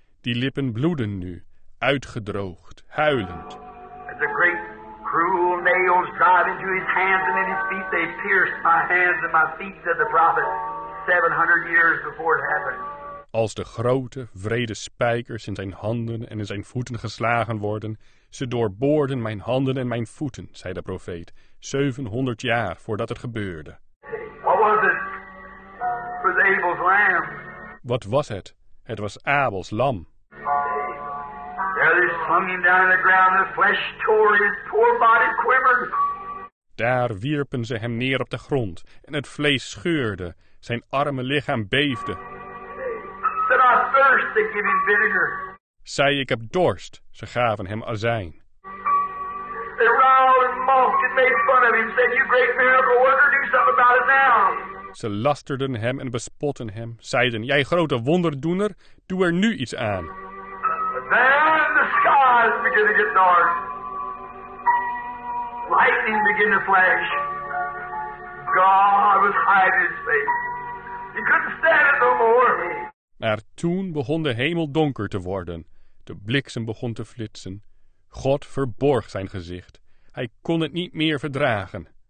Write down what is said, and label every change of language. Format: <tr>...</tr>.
<nl>Die lippen bloeden nu, uitgedroogd, huilend.</nl> <en>As the great cruel nails drive into his hands and in his feet, they pierced my hands and my feet, said the prophet, 700 years before it happened.</en> <nl>Als de grote, wrede spijkers in zijn handen en in zijn voeten geslagen worden, ze doorboorden mijn handen en mijn voeten, zei de profeet, 700 jaar voordat het gebeurde.</nl> <en>What was it? Was Abel's lamb.</en> <nl>Wat was het? Het was Abel's lam.</nl> <en>There they slung him down on the ground, the flesh tore, his poor body quivered.</en> <nl>Daar wierpen ze hem neer op de grond en het vlees scheurde, zijn arme lichaam beefde.</nl> <en>Said I thirst, they give him vinegar.</en> <nl>Zei ik heb dorst, ze gaven hem azijn.</nl> <en>They riled and mocked and made fun of him, said you great miracle worker, do something about it now.</en> <nl>Ze lasterden hem en bespotten hem. Zeiden, jij grote wonderdoener, doe er nu iets aan.</nl> <en>Then the skies begin to get dark. Lightning begin to flash. God was hiding his face. He couldn't stand it no more.</en> <nl>Maar toen begon de hemel donker te worden. De bliksem begon te flitsen. God verborg zijn gezicht. Hij kon het niet meer verdragen.</nl>